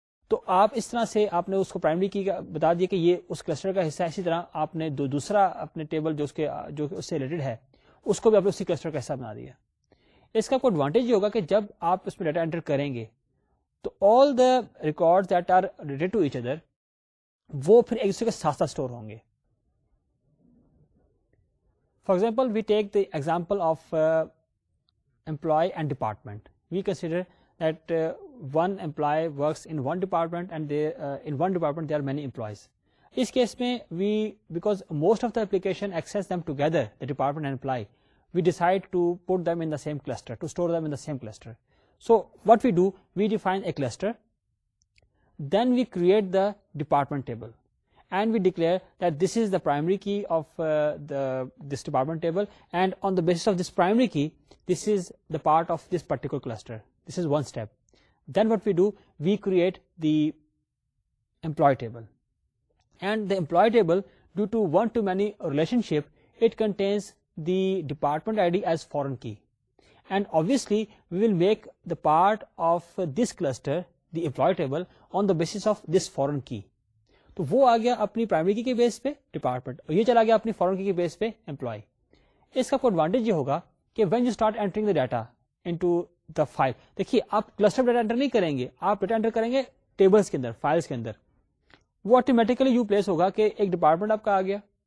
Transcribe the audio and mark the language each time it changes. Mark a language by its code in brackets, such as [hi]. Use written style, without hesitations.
[ur] تو آپ اس طرح سے آپ نے اس کو پرائمری کی بتا دیا کہ یہ اس کلسٹر کا حصہ ہے, اسی طرح آپ نے دوسرا اپنے ٹیبل جو اس سے ریلیٹڈ ہے اس کو بھی آپ نے اسی کلسٹر کا حصہ بنا دیا. اس کا کوئی ایڈوانٹیج یہ ہوگا کہ جب آپ اس میں ڈیٹا انٹر کریں گے تو [en] all the record that are related to each other [ur] وہ پھر ایک دوسرے کے ساتھ ساتھ اسٹور ہوں گے. [en] For example, we take the example of employee and department. We consider that one employee works in one department and they, in one department there are many employees. In this case, we, because most of the application access them together, the department and employee, we decide to put them in the same cluster, to store them in the same cluster. So what we do, we define a cluster, then we create the department table. And we declare that this is the primary key of this department table. And on the basis of this primary key, this is the part of this particular cluster. This is one step. Then what we do, we create the employee table. And the employee table, due to one-to-many relationship, it contains the department ID as foreign key. And obviously, we will make the part of this cluster, the employee table, on the basis of this foreign key. [ur] تو وہ آ گیا اپنی primary key کے بیس پہ department, اور یہ چلا گیا اپنی فورن کی کے بیس پہ امپلائی. اس کا کوئی ایڈوانٹیج یہ ہوگا کہ [en] when you start entering the data into the file, [ur] دیکھیے آپ کلسٹر ڈیٹا انٹر نہیں کریں گے, آپ ڈیٹا انٹر کریں گے ٹیبلس کے اندر, فائلس کے اندر, وہ آٹومیٹکلی یو پلیس ہوگا کہ ایک ڈپارٹمنٹ آپ کا آ گیا.